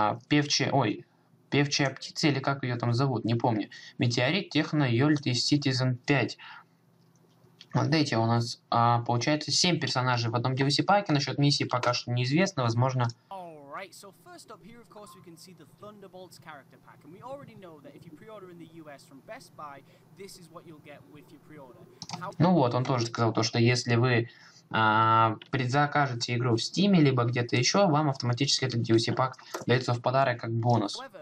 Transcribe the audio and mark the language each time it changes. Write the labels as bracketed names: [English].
[Russian] Певчая птица, или как ее там зовут, не помню. Метеорит, Техно, Йольт и Ситизен 5. Вот эти у нас, получается, 7 персонажей в одном DLC-паке. Насчет миссии пока что неизвестно, возможно. [English] Alright, so first up here, of course, we can see the Thunderbolts character pack. And we already know that if you pre-order in the US from Best Buy, this is what you'll get with your pre-order. [Russian] Ну вот, он тоже сказал то, что если вы предзакажете игру в Steam, либо где-то еще, вам автоматически этот DLC-пак дается в подарок как бонус.